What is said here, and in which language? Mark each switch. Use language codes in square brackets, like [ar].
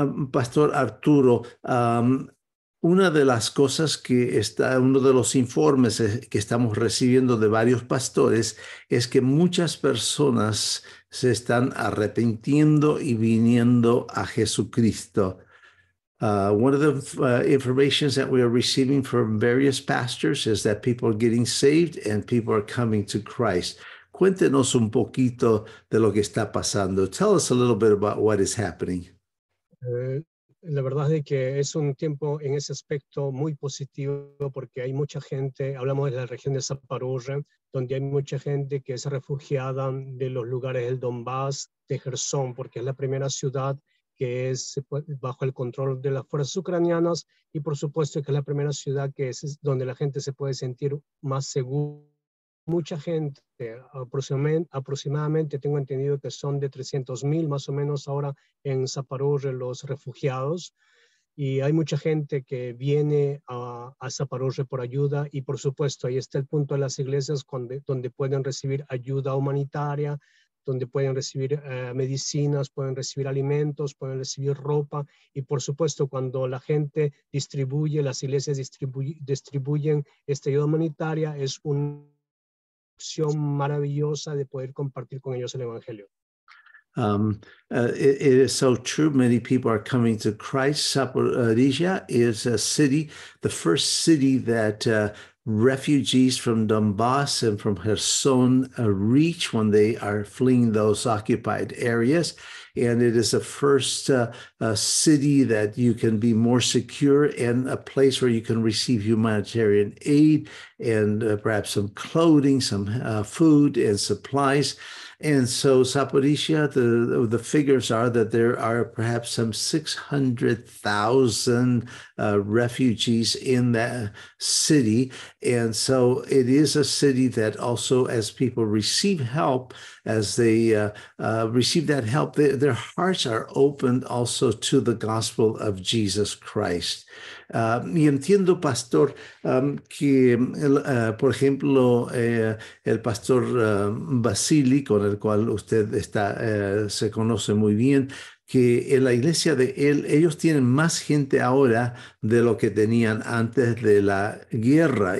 [es] Pastor Arturo, una de las cosas que está, uno de los informes que estamos recibiendo de varios pastores es que muchas personas se están arrepintiendo y viniendo a Jesucristo. [en] One of the informations that we are receiving from various pastors is that people are getting saved and people are coming to Christ. [es] Cuéntenos un poquito de lo que está pasando. [en] Tell us a little bit about what is happening. [es] La verdad es que es un tiempo en ese aspecto muy positivo porque hay mucha gente, hablamos de la región de Zaporozhye, donde hay mucha gente que es refugiada de los lugares del Donbass, de Jersón, porque es la primera ciudad que es bajo el control de las fuerzas ucranianas y por supuesto que es la primera ciudad que es donde la gente se puede sentir más segura. Mucha gente, aproximadamente tengo entendido que son de 300,000 más o menos ahora en Zaporozhye los refugiados y hay mucha gente que viene a Zaporozhye por ayuda y por supuesto ahí está el punto de las iglesias donde pueden recibir ayuda humanitaria, donde pueden recibir medicinas, pueden recibir alimentos, pueden recibir ropa y por supuesto cuando la gente distribuye, las iglesias distribuyen esta ayuda humanitaria, es un opción maravillosa de poder compartir con ellos el evangelio. [en] It is so true. Many people are coming to Christ. Zaporizhia is a city, the first city that refugees from Donbass and from Kherson reach when they are fleeing those occupied areas. And it is the first city that you can be more secure and a place where you can receive humanitarian aid and perhaps some clothing, some food and supplies. And so Zaporizhia, the figures are that there are perhaps some 600,000 refugees in that city. And so it is a city that also, as people receive help, as they receive that help, they're their hearts are opened also to the gospel of Jesus Christ. [es] Y entiendo, pastor, que, por ejemplo, el pastor Basili, con el cual usted está, se conoce muy bien, que en la iglesia de él, ellos tienen más gente ahora de lo que tenían antes de la guerra.